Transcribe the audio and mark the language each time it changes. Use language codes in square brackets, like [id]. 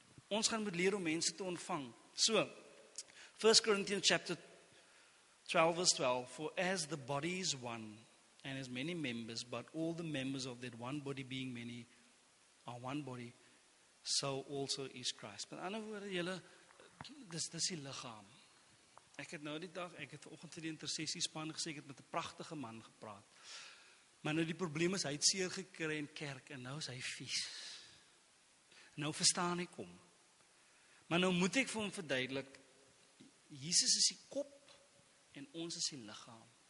[af] Ons gaan moet leer om mense te ontvang. [en] So, 1 Corinthians chapter 12 verse 12, for as the body is one and has many members, but all the members of that one body being many are one body, so also is Christ. [af] Met ander woorde julle, dis die lichaam. Ek het nou die dag, ek het vanoggend vir die intersessiespan gesê, ek het met 'n pragtige man gepraat. Maar nou die probleem is, hy het seer gekry in kerk, en nou is hy vies. Nou verstaan ek hom. Maar nou moet ek vir hom verduidelik, Jesus is die kop, en ons is die lichaam.